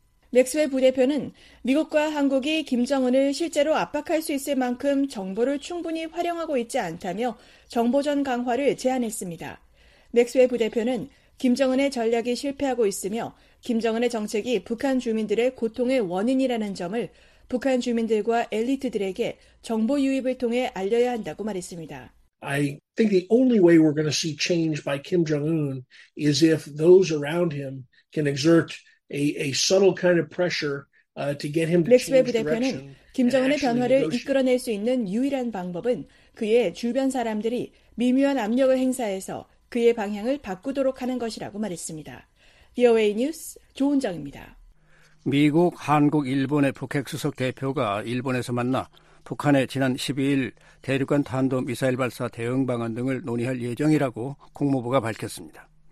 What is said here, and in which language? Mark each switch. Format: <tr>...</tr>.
<ko>맥스웰 부대표는 미국과 한국이 김정은을 실제로 압박할 수 있을 만큼 정보를 충분히 활용하고 있지 않다며 정보전 강화를 제안했습니다. 맥스웰 부대표는 김정은의 전략이 실패하고 있으며 김정은의 정책이 북한 주민들의 고통의 원인이라는 점을 북한 주민들과 엘리트들에게 정보 유입을 통해 알려야 한다고 말했습니다.</ko> <en>I think the only way we're going to see change by Kim Jong-un is if those around him can exert a subtle kind of pressure to get him to change direction.</en> <ko>김정은의 변화를 이끌어낼 수 있는 유일한 방법은 그의 주변 사람들이 미묘한 압력을 행사해서 그의 방향을 바꾸도록 하는 것이라고 말했습니다. VOA 뉴스 조은정입니다. 미국, 한국, 일본의 북핵수석 대표가 일본에서 만나 북한의 지난 12일 대륙간 탄도미사일 발사 대응 방안 등을 논의할 예정이라고 국무부가 밝혔습니다.</ko>